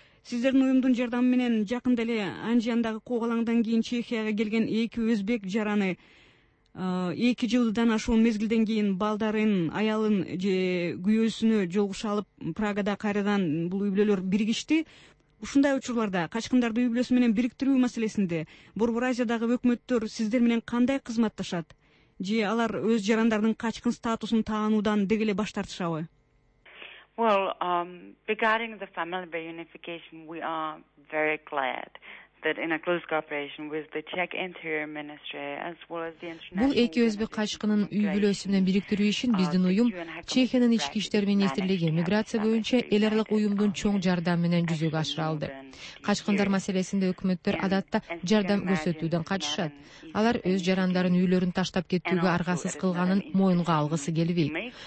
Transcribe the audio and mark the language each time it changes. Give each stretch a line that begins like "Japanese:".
Kyrgyz: Сиздердин уюмдун жардамы менен жакында эле Анжиандагы кок алаңдан кийин Чехияга келген 2 өзбек жараны 2 жылдан ашуун мезгилден кийин балдарын, аялын же күйөөсүнө жолугуша алып Прагада кайрадан бул үй бүлөлөр биригишти. Ушундай учурларда качкындарды үй бүлөсү менен бириктирүү маселесинде Борбор Азиядагы өкмөттөр сиздер менен кандай кызматташат? Же алар өз жарандарынын качкын статусун таануудан деги эле баш тартышабы?
English: Well, regarding the family reunification, we are very glad that in a close cooperation with the Czech Interior Ministry as well as the international.
Kyrgyz: Бул эки өзбек качкынын үй бүлөсү менен бириктирүү ишин биздин уюм Чехиянын ички иштер министрлиги миграция боюнча эл аралык уюмдун чоң жардамы менен жүзөгө ашыра алды. Качкындар маселесинде өкмөттөр адатта жардам көрсөтүүдөн качышат. Алар өз жарандарын үйлөрүн таштап кетүүгө аргасыз кылганын моюнга алгысы келбейт.